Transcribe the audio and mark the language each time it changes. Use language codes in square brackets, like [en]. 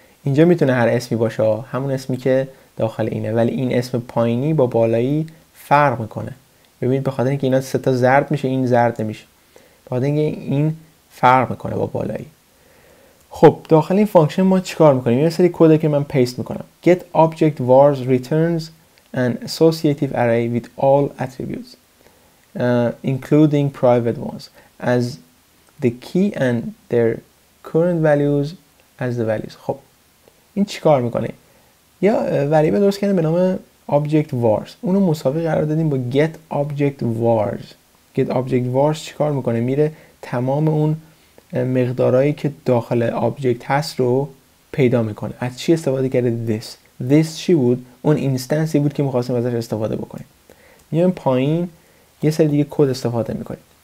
[fa] اینجا میتونه هر اسمی باشه همون اسمی که داخل اینه ولی این اسم پایینی با بالایی فرق میکنه ببینید به خاطر اینکه اینا سه تا زرد میشه این زرد نمیشه به خاطر اینکه این فرق میکنه با بالایی خب داخل این فانکشن ما چیکار میکنیم؟ یه سری کد که من پیست میکنم. [en] get object vars returns an associative array with all attributes including private ones as the key and their current values as the values. [fa] خب این چیکار میکنه؟ یا variable درست کردیم به نام object vars. اونو مساوی قرار دادیم با get object vars. get object vars چیکار میکنه؟ میره تمام اون مقدارایی که داخل آبجکت هست رو پیدا میکنه از چی استفاده کرده this چی بود؟ اون اینستنسی بود که میخواستیم ازش استفاده بکنیم میایم پایین یه سری دیگه کد استفاده میکنیم